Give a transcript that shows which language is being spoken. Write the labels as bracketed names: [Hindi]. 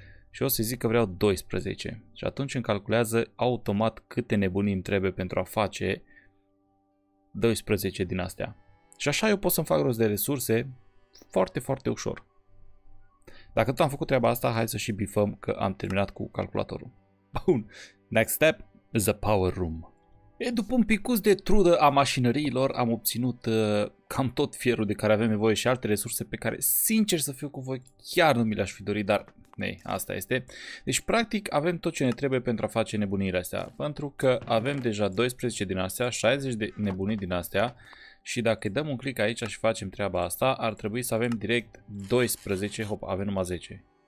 [Romanian] Și o să zic că vreau 12. Și atunci îmi calculează automat câte nebunii îmi trebuie pentru a face 12 din astea. Și așa eu pot să-mi fac rost de resurse foarte, foarte ușor. Dacă tot am făcut treaba asta, hai să și bifăm că am terminat cu calculatorul. Bun. [English] Next step, the power room. [Romanian] E, după un picuț de trudă a mașinăriilor, am obținut cam tot fierul de care avem nevoie și alte resurse pe care, sincer să fiu cu voi, chiar nu mi le-aș fi dorit, dar asta este. Deci, practic, avem tot ce ne trebuie pentru a face nebunile astea, pentru că avem deja 12 din astea, 60 de nebunii din astea și dacă dăm un click aici și facem treaba asta, ar trebui să avem direct 12, hop, avem numai 10.